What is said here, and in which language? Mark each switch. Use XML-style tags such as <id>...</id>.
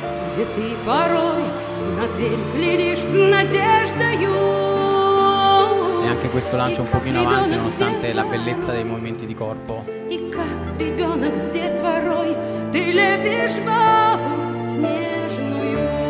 <ru>Где ты порой на дверь глядишь с надеждою.</ru> <it>E anche questo lancio un pochino avanti nonostante la bellezza dei movimenti di corpo.</it> <ru>И как ребенок с детворой ты лепишь бабу снежную.</ru>